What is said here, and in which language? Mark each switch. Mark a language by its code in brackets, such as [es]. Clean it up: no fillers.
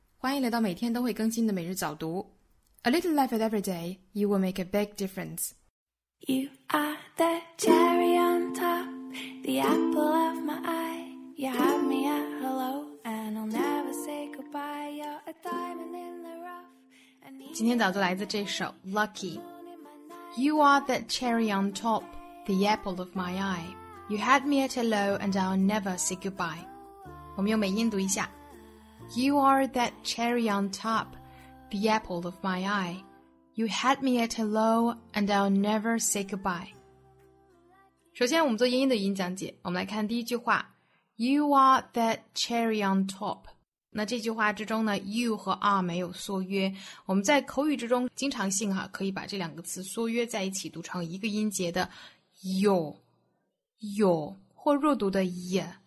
[zh] 欢迎来到每天都会更新的每日早读。 [en] A little life at every day, you will make a big difference. You are the cherry on top, the apple of my eye. You have me at hello, and I'll never say goodbye. You're a diamond in the rough. [zh] 今天早读来自这首 Lucky. [en] You are the cherry on top, the apple of my eye. You had me at hello, and I'll never say goodbye. [zh] 我们用美音读一下 [en] You are that cherry on top, the apple of my eye. You had me at hello, and I'll never say goodbye. [zh] 首先我们做英音的语音讲解，我们来看第一句话 [en] You are that cherry on top. [zh] 那这句话之中呢 you 和 are 没有缩约，我们在口语之中经常性哈，可以把这两个词缩约在一起读成一个音节的 your 或弱读的 ye。